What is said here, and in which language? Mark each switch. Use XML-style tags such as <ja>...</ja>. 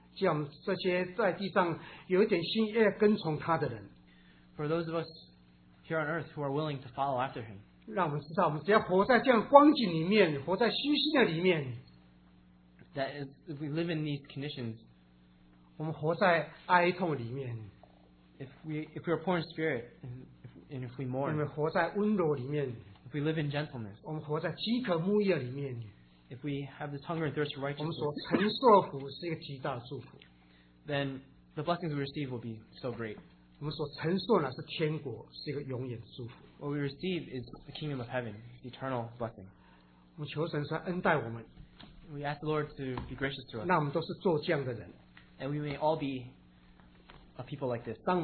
<en>For those of us here on earth who are willing to follow after him, that if we live in these conditions, if we are poor in spirit, and if we mourn,</en> <zh>我们活在温柔里面,</zh> <en>if we live in gentleness,</en> <zh>我们活在饥渴慕义里面,</zh> <en>if we have this hunger and thirst for righteousness, then the blessings we receive will be so great. What we receive is the kingdom of heaven, the eternal blessing. We ask the Lord to be gracious to us, and we may all be a people like this.</en>